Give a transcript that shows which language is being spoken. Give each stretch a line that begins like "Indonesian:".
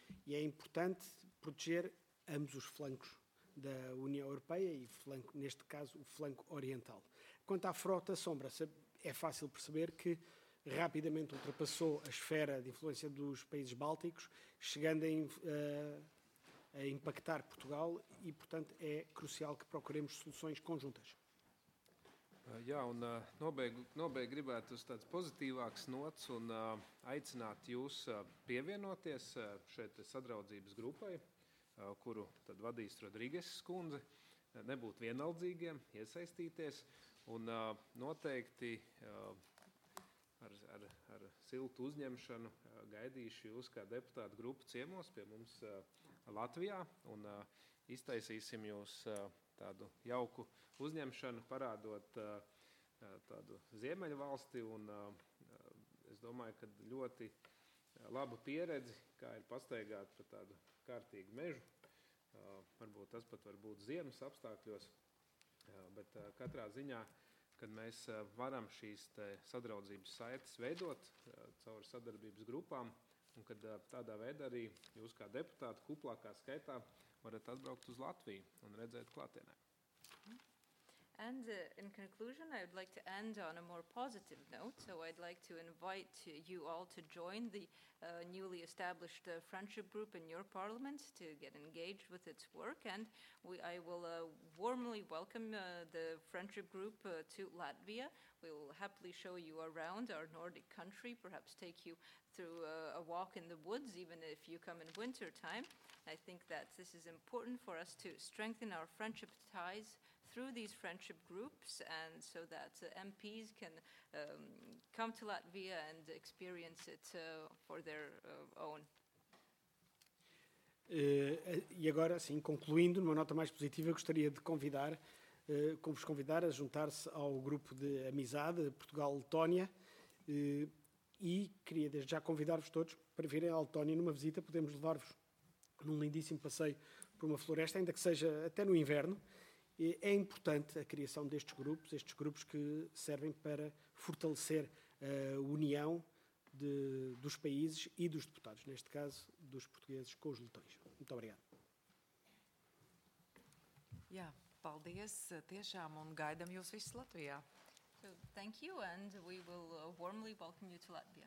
Portuguese: E é importante proteger ambos os flancos da União Europeia e, flanco, neste caso, o flanco oriental. Quanto à frota sombra, é fácil perceber que rapidamente ultrapassou a esfera de influência dos países bálticos, chegando a impactar Portugal e, portanto, é crucial que procuremos soluções conjuntas.
Latvian: Jā, un nobeigt gribētu uz tāds pozitīvāks nots un aicināt jūs pievienoties šeit sadraudzības grupai, kuru tad vadīs Rodrīgas kundze, nebūt vienaldzīgiem, iesaistīties un noteikti ar siltu uzņemšanu gaidīšu jūs kā deputātu grupu ciemos pie mums Latvijā un iztaisīsim jūs tādu jauku uzņemšanu, parādot tādu Ziemeļu valsti, un es domāju, ka ļoti laba pieredze, kā ir pastaigāt par tādu kārtīgu mežu. Varbūt tas pat var būt ziemas apstākļos, bet katrā ziņā, kad mēs varam šīs te sadraudzības saites veidot caur sadarbības grupām, un kad tādā veidā arī jūs kā deputāti kuplākā skaitā varat atbraukt uz Latviju un redzēt klātienē.
English: And in conclusion, I would like to end on a more positive note, so I'd like to invite you all to join the newly established friendship group in your parliament to get engaged with its work, and I will warmly welcome the friendship group to Latvia. We will happily show you around our Nordic country, perhaps take you through a walk in the woods, even if you come in winter time. I think that this is important for us to strengthen our friendship ties through these friendship groups, and so that MPs can come to Latvia and experience it for their own.
Portuguese: E agora, sim, concluindo, numa nota mais positiva, gostaria de convidar, como vos convidar, a juntar-se ao grupo de amizade Portugal-Letónia, e queria desde já convidar-vos todos para virem à Letónia numa visita, podemos levar-vos num lindíssimo passeio por uma floresta, ainda que seja até no inverno. É importante a criação destes grupos, que servem para fortalecer a união dos países e dos deputados, neste caso, dos portugueses com os letões. Muito obrigado.
Latvian: Yeah, paldies, tiešām, un gaidam jūs visus Latvijā.
English: So, thank you, and we will warmly welcome you to Latvia.